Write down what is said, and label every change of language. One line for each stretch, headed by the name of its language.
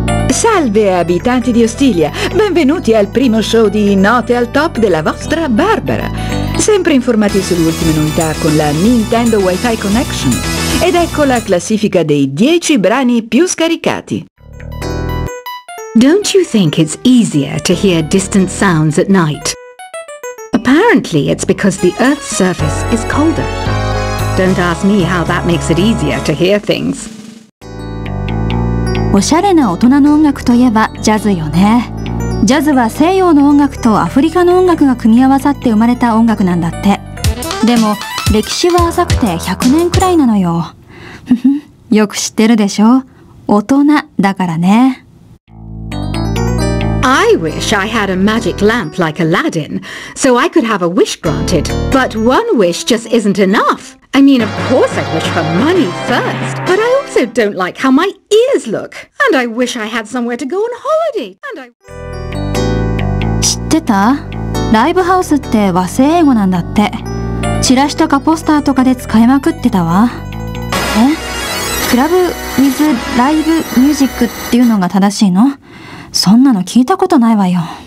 Italian: Salve abitanti di Ostilia, benvenuti al primo show di Note al Top della vostra Barbara. Sempre informati sulle ultime novità con la Nintendo Wi-Fi Connection. Ed ecco la classifica dei 10 brani più scaricati.
English: Don't you think it's easier to hear distant sounds at night? Apparently it's because the Earth's surface is colder. Don't ask me how that makes it easier to hear things.
Japanese: おしゃれな大人の音楽といえばジャズよね。ジャズは西洋の音楽とアフリカの音楽が組み合わさって生まれた音楽なんだって。でも歴史は浅くて100年くらいなのよ。よく知ってるでしょ。大人だからね。
English: I wish I had a magic lamp like Aladdin, so I could have a wish granted. But one wish just isn't enough. I mean, of course I'd wish for money first, but I also don't like how my ears look. And I wish I had somewhere to go on holiday. And I...
Japanese: 知ってた？ライブハウスって和製英語なんだって。チラシとかポスターとかで使いまくってたわ。え？クラブ with ライブミュージックっていうのが正しいの？そんなの聞いたことないわよ。